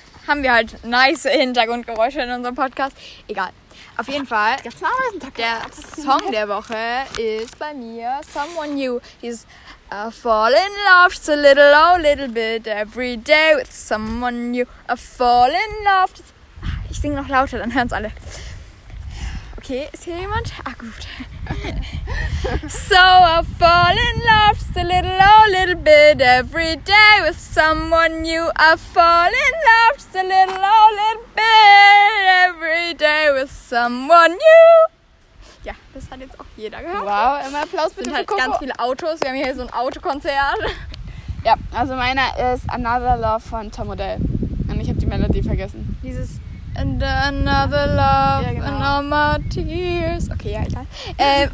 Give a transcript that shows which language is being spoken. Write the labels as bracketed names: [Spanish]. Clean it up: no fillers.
[German] Haben wir halt nice Hintergrundgeräusche in unserem Podcast. Egal. Auf jeden Fall. Der Song der Woche ist bei mir Someone New. Dieses [English] I fall in love just a little, oh, little bit every day with someone new. I fall in love. [German] Ich singe noch lauter, dann hören es alle. Okay, ist hier jemand? Ah, gut. [English] So I fall in love just a little, oh, little bit every day with someone new. I fall in love just a little, oh, little bit every day with someone new. [German] Ja, das hat jetzt auch jeder gehört. Wow, immer Applaus bitte. Es sind halt ganz viele Autos. Wir haben hier so ein Autokonzert. Ja, also meiner ist Another Love von Tom O'Dell. Und ich habe die Melodie vergessen. Dieses [English] And another love, [German] ja, genau. [English] And all my tears. [German] Okay, ja, egal.